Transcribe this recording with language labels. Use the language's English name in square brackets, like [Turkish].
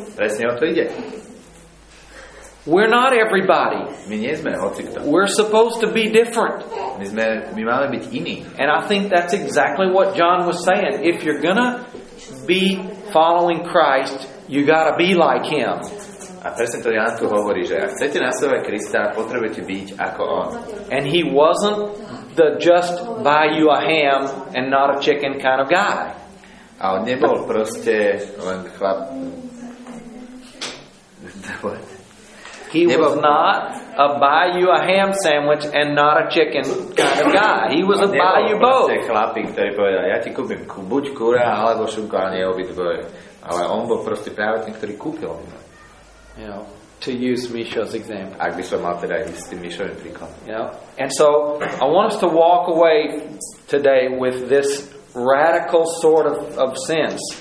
[Slovak] Presne o to ide. [English] We're not everybody. [Slovak] My nie sme hocikto. [English] We're supposed to be different. [Slovak] My máme byť iní. [English] And I think that's exactly what John was saying. If you're gonna be following Christ, you gotta be like him. [Slovak] A presne to Ján tu hovorí, že ak chcete nasledovať Krista, potrebujete byť ako on. [English] And he wasn't the just buy you a ham and not a chicken kind of guy. [Slovak] A on nebol proste len chlap. [English] He was not a buy you a ham sandwich and not a chicken kind of guy. He was a buy you both. [Slovak] Proste chlapík, ktorý povedal, ja ti kúpim buď kura, alebo šunku, ale nie obidvoje. Ale on bol proste práve ten, ktorý kúpil. [English] You know, to use Misho's example. [Slovak] Ak by som mal teda ísť tým Mišovým príkladom. [English] Yeah. And so I want us to walk away today with this radical sort of sense.